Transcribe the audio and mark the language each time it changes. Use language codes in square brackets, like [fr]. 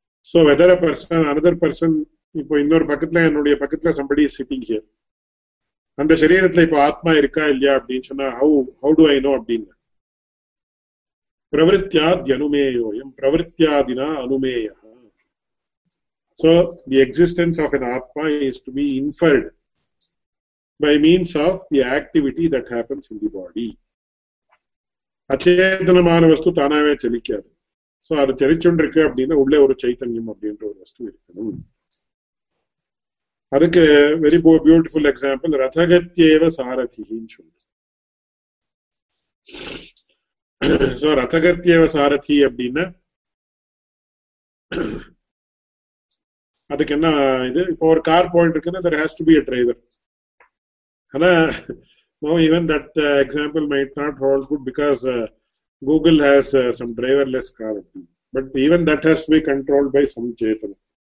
[ta] So weather person another person, இப்போ இன்னொரு பக்கத்துல என்னுடைய பக்கத்துல [en] somebody sitting here, [ta] அந்த சரீரத்துல இப்போ ஆத்மா இருக்கா இல்லையா அப்படின்னு சொன்னா [en] how how do I know [ta] அப்படின்னு. [sa] பிரவருத்தியாத்யனுமேயோயும் பிரவருத்தியாதினா அனுமேய. [en] So, the existence of an Atma is to be inferred by means of the activity that happens in the body. [ta] அச்சேதனமான வஸ்து தானாவே சலிக்காது. சோ அது சலிச்சுண்டிருக்கு அப்படின்னா உள்ளே ஒரு சைத்தன்யம் அப்படின்ற ஒரு வஸ்து இருக்கணும். அதுக்கு [en] very beautiful example [ta] ரதகத்தியேவ சாரதின்னு சொல்லு. சோ ரதகத்தியேவ சாரதி அப்படின்னா அதுக்கு என்ன இது, இப்போ ஒரு கார் போயிட்டு இருக்குன்னா [en] There has to be a driver. ஆனா Now, even that example might not hold good because Google has some driverless car. But even that has to be controlled by some Chaitanya.